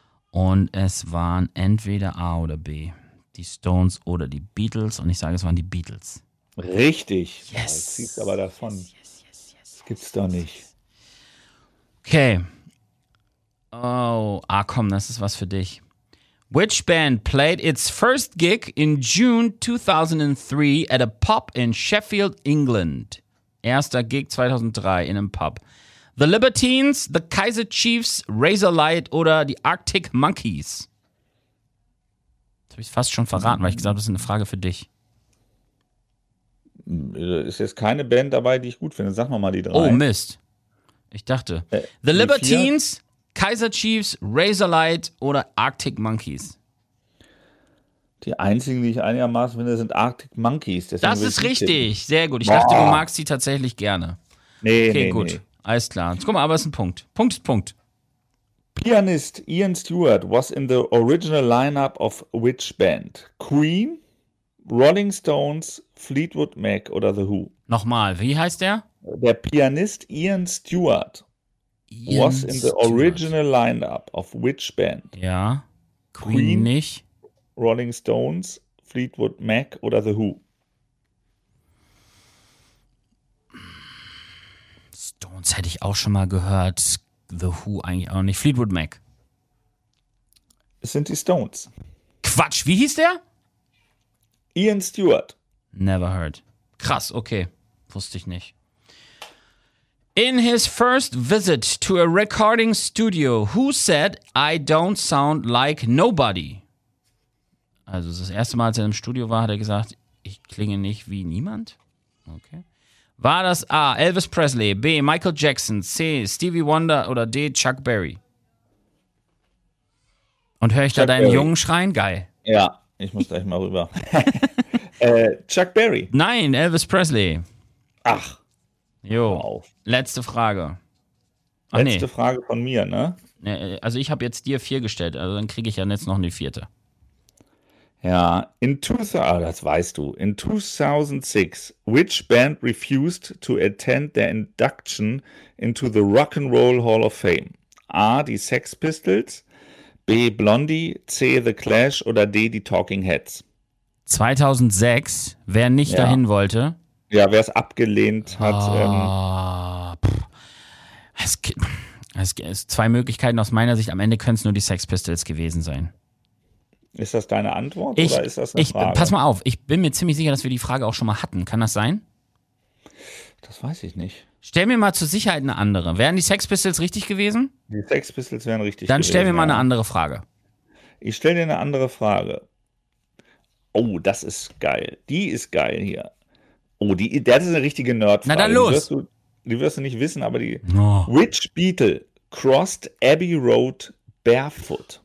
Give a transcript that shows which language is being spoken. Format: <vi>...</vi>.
<de>Und es waren entweder A oder B, die Stones oder die Beatles. Und ich sage, es waren die Beatles. Richtig.</de> <en>Yes.</en> <de>Du ziehst aber davon. Yes. Das gibt's doch nicht. Okay. Oh, komm, das ist was für dich.</de> <en>Which band played its first gig in June 2003 at a pub in Sheffield, England?</en> <de>Erster Gig 2003 in einem Pub. The Libertines, The Kaiser Chiefs, Razor Light oder die Arctic Monkeys? Das habe ich fast schon verraten, weil ich gesagt habe, das ist eine Frage für dich. Ist jetzt keine Band dabei, die ich gut finde. Sag mal die drei. Oh Mist. Ich dachte. The Libertines, Kaiser Chiefs, Razor Light oder Arctic Monkeys? Die einzigen, die ich einigermaßen finde, sind Arctic Monkeys. Deswegen das ist richtig. Tippen. Sehr gut. Ich dachte, du magst sie tatsächlich gerne. Nee, okay. Alles klar. Guck mal, aber es ist ein Punkt. Punkt ist Punkt.</de> <en>Pianist Ian Stewart was in the original lineup of which band?</en> <de>Queen, Rolling Stones, Fleetwood Mac oder The Who? Nochmal, wie heißt der?</de> <en>Der Pianist Ian Stewart was in the original lineup of which band?</en> <de>Ja, Queen nicht. Rolling Stones, Fleetwood Mac oder The Who? Stones hätte ich auch schon mal gehört. The Who eigentlich auch nicht. Fleetwood Mac. Es sind die Stones. Quatsch, wie hieß der? Ian Stewart.</de> <en>Never heard.</en> <de>Krass, okay. Wusste ich nicht.</de> <en>In his first visit to a recording studio, who said, I don't sound like nobody?</en> <de>Also das erste Mal, als er im Studio war, hat er gesagt, ich klinge nicht wie niemand. Okay. War das A, Elvis Presley, B, Michael Jackson, C, Stevie Wonder oder D, Chuck Berry? Und höre ich Chuck da deinen Berry. Jungen schreien? Geil. Ja, ich muss gleich mal rüber. Chuck Berry. Nein, Elvis Presley. Ach. Jo, wow. Letzte Frage. Ach, letzte nee. Frage von mir, ne? Also ich habe jetzt dir vier gestellt, also dann kriege ich ja jetzt noch eine vierte.</de> <en>Ja, in 2006, which band refused to attend their induction into the Rock and Roll Hall of Fame?</en> <de>A, die Sex Pistols, B, Blondie, C, The Clash oder D, die Talking Heads? 2006, wer nicht dahin wollte? Ja, wer es abgelehnt hat. Es zwei Möglichkeiten aus meiner Sicht. Am Ende können es nur die Sex Pistols gewesen sein. Ist das deine Antwort oder ist das eine Frage? Pass mal auf, ich bin mir ziemlich sicher, dass wir die Frage auch schon mal hatten. Kann das sein? Das weiß ich nicht. Stell mir mal zur Sicherheit eine andere. Wären die Sex Pistols richtig gewesen? Die Sex Pistols wären richtig Dann stell mir mal eine andere Frage. Ich stell dir eine andere Frage. Oh, das ist geil. Die ist geil hier. Oh, das ist eine richtige Nerdfrage. Na dann los. Die wirst du nicht wissen, aber die...</de> <en>Which Beatle crossed Abbey Road barefoot?</en>